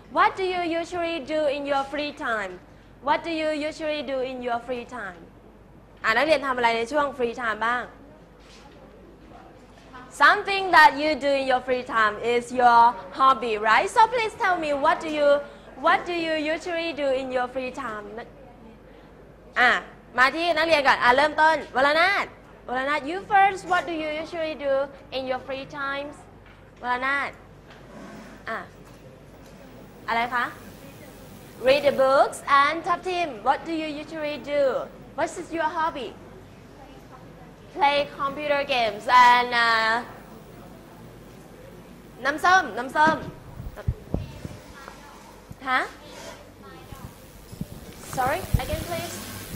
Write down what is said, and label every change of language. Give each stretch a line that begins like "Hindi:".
English: What do you usually do in your free time? What do you usually do in your free time?
Thai: นักเรียนทำอะไรในช่วง free time บ้าง
English: Something that you do in your free time is your hobby, right? So please tell me what do you usually do in your free time?
Thai: มาที่นักเรียนก่อนเริ่มต้นวรนาถวรนาถ
English: you first what do you usually do in your free times วรนาถ
Thai: อะไรคะ
English: read the books and top team what do you usually do what is your hobby play computer games and
Thai: น้ำส้มฮะ
English: sorry again please